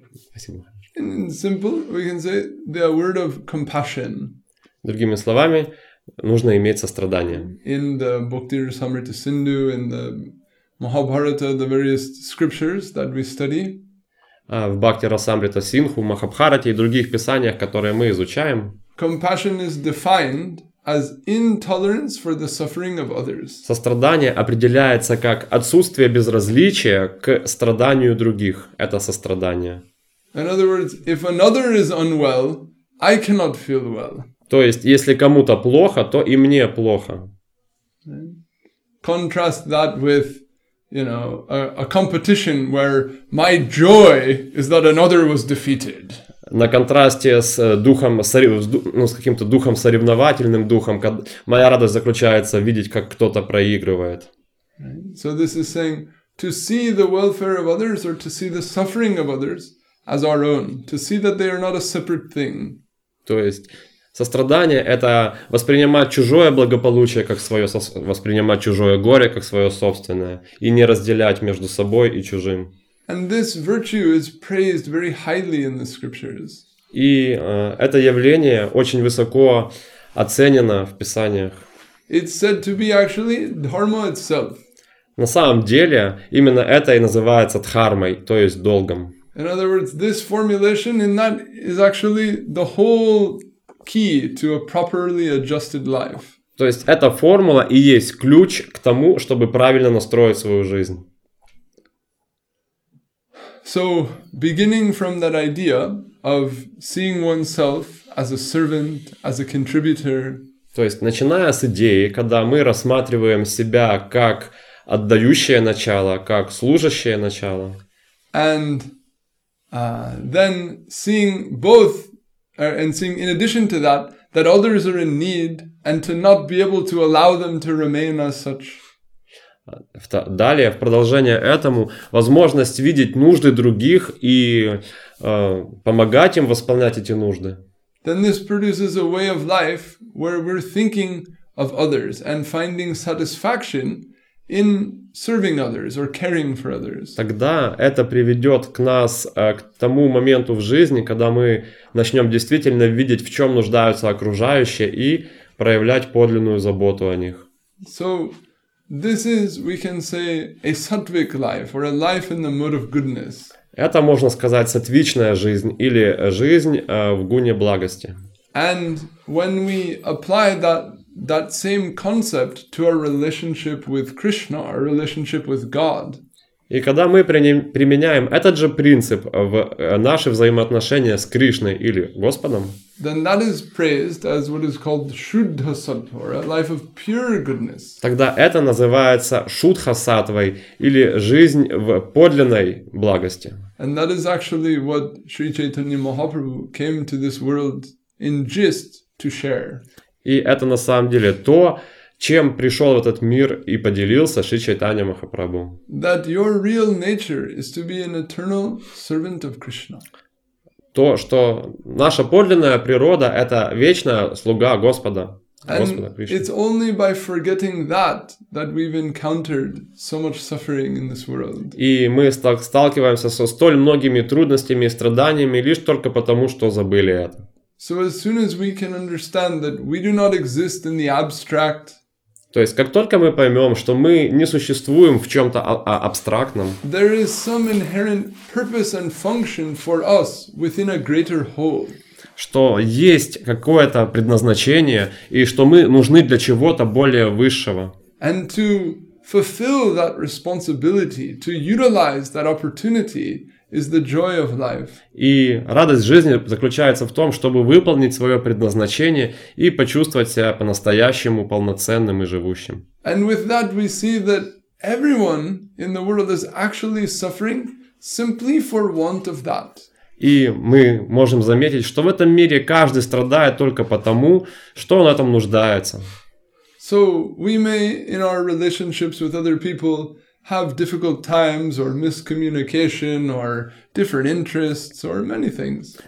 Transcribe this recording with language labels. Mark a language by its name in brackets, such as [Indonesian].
[Russian] Спасибо. [English] In simple, we can say the word of compassion. [Russian] Другими словами, нужно иметь сострадание. [English] In the Bhakti Rasamrita Sindhu, in the Mahabharata, the various scriptures that we study. [Russian] В Бхакти Расамрита Синху, Махабхарате и других писаниях, которые мы изучаем. [English] Compassion is defined as intolerance for the suffering of others. [Russian] Сострадание определяется как отсутствие безразличия к страданию других. Это сострадание. [English] In other words, if another is unwell, I cannot feel well. [Russian] То есть, если кому-то плохо, то и мне плохо. [English] Contrast that with a competition where my joy is that another was defeated. [Russian] На контрасте с духом, с каким-то духом соревновательным духом, моя радость заключается видеть, как кто-то проигрывает. [English] So this is saying to see the welfare of others or to see the suffering of others as our own, to see that they are not a separate thing. [Russian] То есть сострадание – это воспринимать чужое благополучие как свое, воспринимать чужое горе как свое собственное и не разделять между собой и чужим. [English] And this virtue is praised very highly in the scriptures. [Russian] И это явление очень высоко оценено в писаниях. [English] It's said to be actually dharma itself. [Russian] На самом деле именно это и называется дхармой, то есть долгом. [English] In other words, this formulation in that is actually the whole key to a properly adjusted life. [Russian] То есть эта формула и есть ключ к тому, чтобы правильно настроить свою жизнь. [English] So, beginning from that idea of seeing oneself as a servant, as a contributor. [Russian] То есть начиная с идеи, когда мы рассматриваем себя как отдающее начало, как служащее начало. [English] And then seeing both. And seeing in addition to that, that others are in need and to not be able to allow them to remain as such. [Russian] Далее, в продолжение этому, возможность видеть нужды других и помогать им восполнять эти нужды. [English] Then this produces a way of life where we're thinking of others and finding satisfaction in serving others or caring for others. [Russian] Тогда это приведет к нас к тому моменту в жизни, когда мы начнем действительно видеть, в чем нуждаются окружающие и проявлять подлинную заботу о них. [English] So this is, we can say, a sattvic life or a life in the mood of goodness. [Russian] Это можно сказать сатвичная жизнь или жизнь в гуне благости. [English] And when we apply that same concept to our relationship with Krishna, our relationship with God. [Russian] И когда мы применяем этот же принцип в наши взаимоотношения с Кришной или Господом, [English] then that is praised as what is called Shuddha Sattva, a life of pure goodness. [Russian] Тогда это называется Шудха Сатвой или жизнь в подлинной благости. [English] And that is actually what Sri Chaitanya Mahaprabhu came to this world in gist to share. [Russian] И это на самом деле то, чем пришел в этот мир и поделился Шри Чайтанья Махапрабху. [English] That your real nature is to be an eternal servant of Krishna. [Russian] То, что наша подлинная природа – это вечная слуга Господа, Господа Кришны. [English] It's only by forgetting that we've encountered so much suffering in this world. [Russian] И мы сталкиваемся со столь многими трудностями и страданиями лишь только потому, что забыли это. [English] So as soon as we can understand that we do not exist in the abstract, [Russian] То есть, как только мы поймем, что мы не существуем в чем-то абстрактном, [English] there is some inherent purpose and function for us within a greater whole. [Russian] Что есть какое-то предназначение, и что мы нужны для чего-то более высшего. [English] And to fulfill that responsibility, to utilize that opportunity, is the joy of life. [Russian] И радость жизни заключается в том, чтобы выполнить свое предназначение и почувствовать себя по-настоящему полноценным и живущим. [English] And with that we see that everyone in the world is actually suffering simply for want of that. [Russian] И мы можем заметить, что в этом мире каждый страдает только потому, что он в этом нуждается. [English] So we may in our relationships with other people have difficult times or miscommunication or different interests or many things.